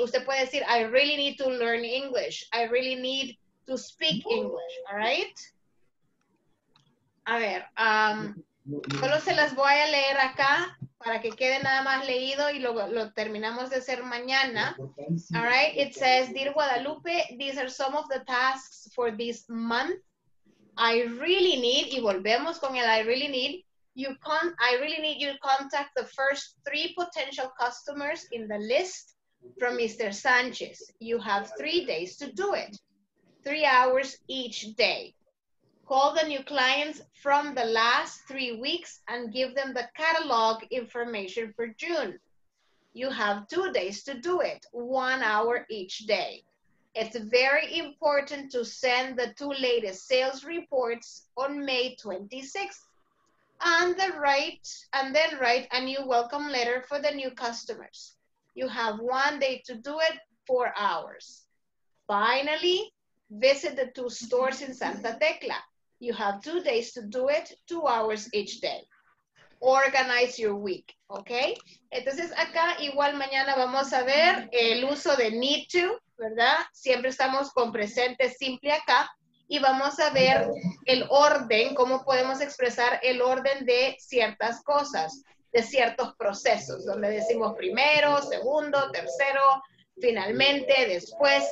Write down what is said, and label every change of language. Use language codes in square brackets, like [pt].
[es] Usted puede decir, [en] I really need to learn English. I really need to speak English. All right? [es] A ver. Solo se las voy a leer acá para que quede nada más leído y lo terminamos de hacer mañana. [en] All right? It says, Dear Guadalupe, these are some of the tasks for this month. I really need, [es] y volvemos con el [en] I really need, I really need you to contact the first 3 potential customers in the list from Mr. Sanchez. You have 3 days to do it, 3 hours each day. Call the new clients from the last 3 weeks and give them the catalog information for June. You have 2 days to do it, 1 hour each day. It's very important to send the 2 latest sales reports on May 26th. And then write a new welcome letter for the new customers. You have 1 day to do it, 4 hours. Finally, visit the 2 stores in Santa Tecla. You have 2 days to do it, 2 hours each day. Organize your week, okay? [es] Entonces acá igual mañana vamos a ver el uso de need to, ¿verdad? Siempre estamos con presente simple acá. Y vamos a ver el orden, cómo podemos expresar el orden de ciertas cosas, de ciertos procesos, donde decimos primero, segundo, tercero, finalmente, después.